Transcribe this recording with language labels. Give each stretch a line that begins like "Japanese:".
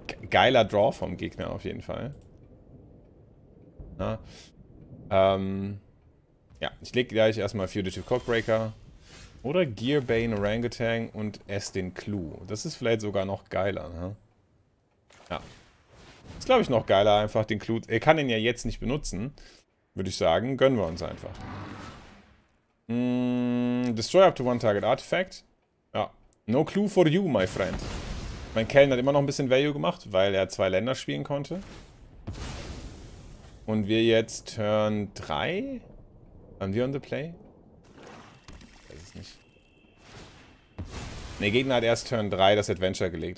German: Geiler Draw vom Gegner auf jeden Fall. Ja, ja, ich lege gleich erstmal Fugitive Codebreaker oder Gearbane Orangutan und esse den Clou. Das ist vielleicht sogar noch geiler. Ne? Ja. Ist, glaube ich, noch geiler, einfach den Clou. Er kann ihn ja jetzt nicht benutzen. Würde ich sagen, gönnen wir uns einfach.
English: Destroy up to one target artifact. Ja. No clue for you, my friend.
German: Mein Kellen hat immer noch ein bisschen Value gemacht, weil er 2 Länder spielen konnte. Und wir jetzt Turn 3? Haben wir
English: on the play?
German: Ich weiß es nicht. Ne, Gegner hat erst Turn 3 das Adventure gelegt.